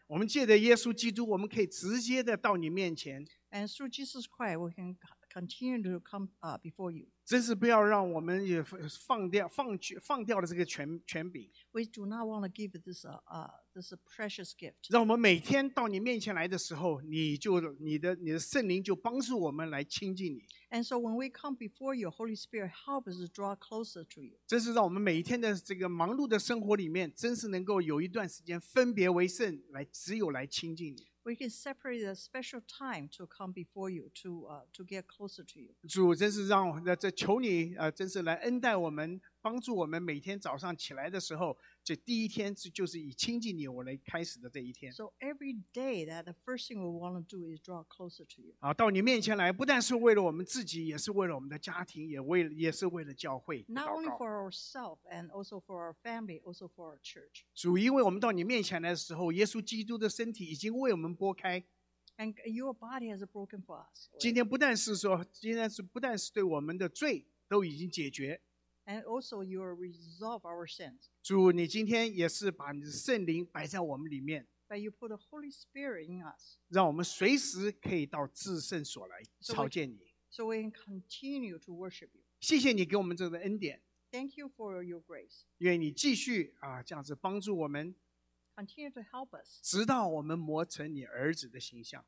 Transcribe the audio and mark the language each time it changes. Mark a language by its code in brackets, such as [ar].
[zh] 我们借着耶稣基督，我们可以直接的到你面前。 [en] And through Jesus Christ, we can continue to come before you. [zh] 真是不要让我们也放掉了这个权柄。 [en] We do not want to give this precious gift. [zh] 让我们每天到你面前来的时候，你的圣灵就帮助我们来亲近你。 [en] And so when we come before you, Holy Spirit help us draw closer to you. [zh] 真是让我们每一天的这个忙碌的生活里面，真是能够有一段时间分别为圣，来只有来亲近你。 [en] We can separate a special time to come before you to get closer to you. [zh] 主，真是让这求你真是来恩待我们，帮助我们每天早上起来的时候，这第一天就是以亲近你我来开始的这一天。 [en] So every day that the first thing we want to do is draw closer to you. [zh] 好，到你面前来，不但是为了我们自己，也是为了我们的家庭，也是为了教会。 [en] Not only for ourselves and also for our family, also for our church. [zh] 主，因为我们到你面前来的时候，耶稣基督的身体已经为我们擘开。 [en] And your body has broken for us. [zh] 今天不但是对我们的罪都已经解决。 [en] And also, you will resolve our sins. [zh] 主，你今天也是把你的圣灵摆在我们里面。 [en] But you put the Holy Spirit in us. [zh] 让我们随时可以到至圣所来朝见你。 [en] So we can continue to worship you. [zh] 谢谢你给我们这个恩典。 [en] Thank you for your grace. [zh] 愿你继续这样子帮助我们。 [en] Continue to help us. [zh] 直到我们磨成你儿子的形象。